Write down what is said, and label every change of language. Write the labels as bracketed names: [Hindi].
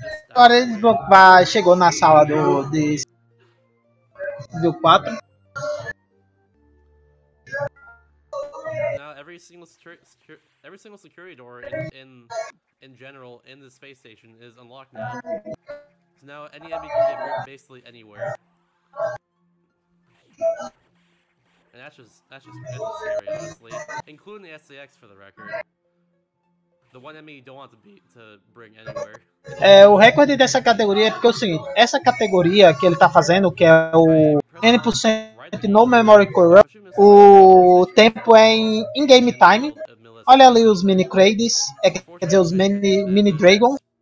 [Portuguese] Agora ele chegou na sala do nível 4. [English] Every single security door in general in the space station is unlocked now. So now any enemy can get basically anywhere. And that's just kind of scary, honestly. Including the SCX for the record. The one enemy you don't want to bring anywhere. [Portuguese] O recorde dessa categoria é porque é o seguinte, essa categoria que ele tá fazendo, que é o N% No Memory Corrupt, o tempo é in-game time. Olha ali os mini crates, quer dizer, os mini dragons.